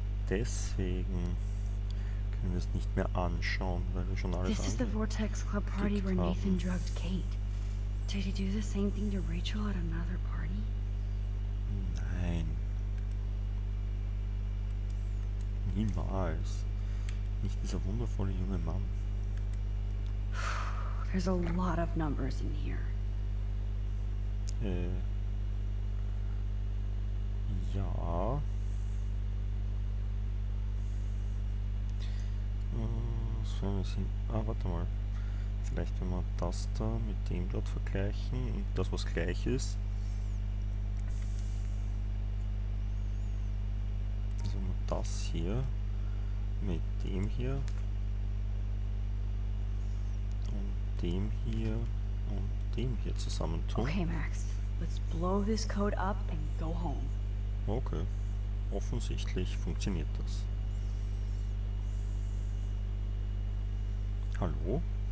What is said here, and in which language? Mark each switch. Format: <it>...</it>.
<de>deswegen können wir es nicht mehr anschauen, weil wir schon alles angeklickt haben.</de> <en>This is the Vortex Club party where Nathan drugged Kate. Did he do the same thing to Rachel at another party?</en> <de>Nein. Niemals. Nicht dieser wundervolle junge Mann.</de> <en>There's a lot of numbers in here.</en> <de>Ja. Ah, warte mal. Vielleicht wenn wir das da mit dem dort vergleichen und das was gleich ist. Also wenn wir das hier mit dem hier und dem hier und dem hier zusammentun.</de> <en>Okay, Max. Let's blow this code up and go home.</en> <de>Okay. Offensichtlich funktioniert das. Hallo?</de>